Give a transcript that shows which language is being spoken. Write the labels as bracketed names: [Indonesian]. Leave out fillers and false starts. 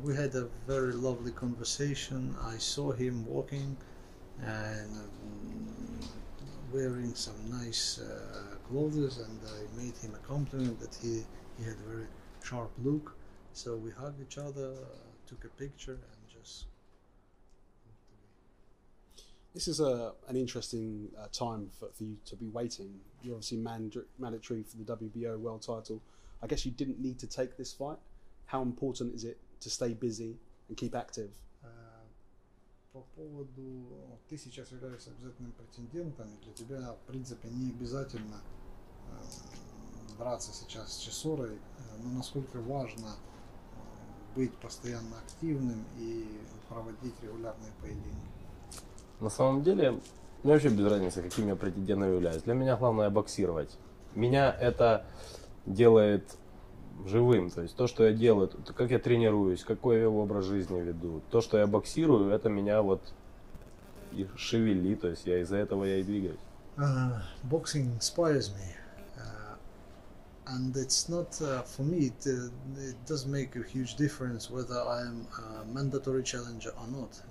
[English] We had a very lovely conversation. I saw him walking and wearing some nice clothes, and I made him a compliment that he had a very sharp look. So we hugged each other, took a picture, and just... This is an interesting time for you to be waiting. You're obviously mandatory for the WBO world title. I guess you didn't need to take this fight. How important is it to stay busy and keep active? [Russian] По поводу, ты сейчас являешься обязательным претендентом, и для тебя, в принципе, не обязательно драться сейчас с Чесорой, но насколько важно быть постоянно активным и проводить регулярные поединки? На самом деле, мне вообще без разницы, каким я претендентом являюсь. Для меня главное боксировать. Меня это делает живым. То есть то, что я делаю, то, как я тренируюсь, какой я образ жизни веду, то, что я боксирую, это меня вот и шевели, то есть я из-за этого я и двигаюсь. [English] Boxing inspires me. And it's not for me, it doesn't make a huge difference whether I am a mandatory challenger or not.